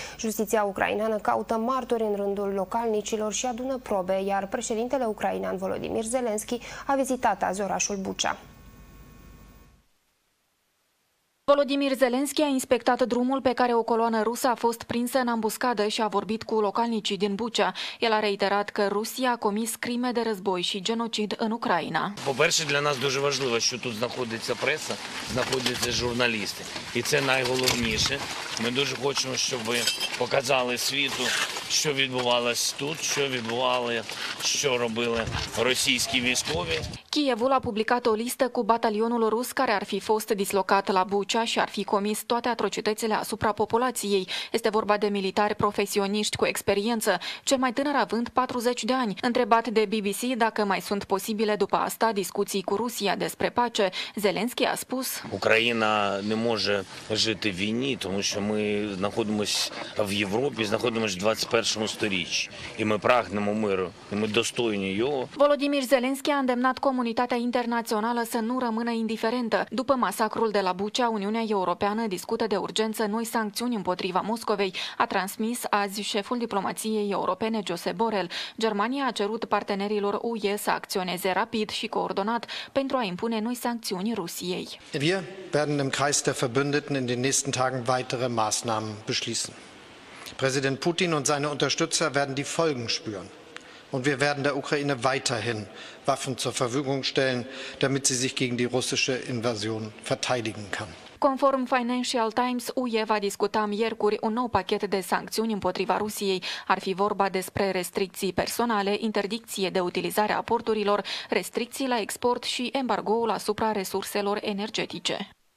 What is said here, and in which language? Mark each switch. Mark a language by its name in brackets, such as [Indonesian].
[Romanian] Justiția ucraineană caută martori în rândul localnicilor și adună probe, iar președintele ucrainean Volodymyr Zelensky a vizitat azi orașul Bucea. Volodymyr Zelensky a inspectat drumul pe care o coloană rusă a fost prinsă în ambuscadă și a vorbit cu localnicii din Bucea. El a reiterat că Rusia a comis crime de război și genocid în Ucraina. [Ukrainian] По-перше, для нас дуже важливо, що тут знаходиться преса, знаходяться журналісти. І це найголовніше. Ми дуже хочемо, щоб показали світу, що відбувалось тут, що відбували, що робили російські військові. [Romanian] Kievul a publicat o listă cu batalionul rus care ar fi fost dislocat la Bucea și ar fi comis toate atrocitățile asupra populației. Este vorba de militari profesioniști cu experiență, cel mai tânăr având 40 de ani. Întrebat de BBC dacă mai sunt posibile după asta discuții cu Rusia despre pace, Zelensky a spus: Ucraina nu poate trăi în război, pentru că noi suntem în Europa, suntem în 21-ul stoliu și noi pragnăm mirul, noi dostoini eu. Volodymyr Zelensky a îndemnat comunitatea internațională să nu rămână indiferentă. După masacrul de la Bucea, Uniunea Europeană discută de urgență noi sancțiuni împotriva Moscovei, a transmis azi șeful diplomației europene, Josep Borrell. Germania a cerut partenerilor UE să acționeze rapid și coordonat pentru a impune noi sancțiuni Rusiei. [German] Wir werden im Kreis der Verbündeten in den nächsten Tagen weitere Maßnahmen beschließen. Präsident Putin und seine Unterstützer werden die Folgen spüren. Und wir werden der Ukraine weiterhin Waffen zur Verfügung stellen, damit sie sich gegen die russische Invasion verteidigen kann. [Romanian] Conform Financial Times, UE va discuta miercuri un nou pachet de sancțiuni împotriva Rusiei. Ar fi vorba despre restricții personale, interdicție de utilizare a porturilor, restricții la export și embargoul asupra resurselor energetice.